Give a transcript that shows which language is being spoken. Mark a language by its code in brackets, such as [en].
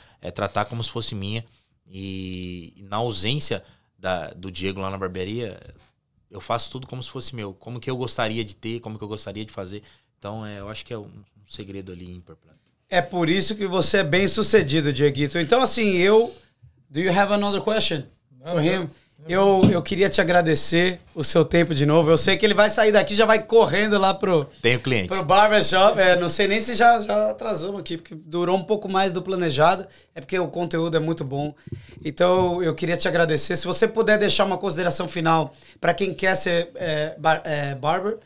[pt] É tratar como se fosse minha. E na ausência do Diego lá na barbearia, eu faço tudo como se fosse meu. Como que eu gostaria de ter, como que eu gostaria de fazer. Então, eu acho que é um segredo ali ímpar pra mim. É por isso que você é bem sucedido, Dieguito. Então, assim, eu... [en] Do you have another question for him? [pt] Eu queria te agradecer o seu tempo de novo. Eu sei que ele vai sair daqui e já vai correndo lá pro... Tenho cliente. Pro barbershop. Não sei nem se já atrasamos aqui, porque durou um pouco mais do planejado. É porque o conteúdo é muito bom. Então, eu queria te agradecer. Se você puder deixar uma consideração final para quem quer ser barber...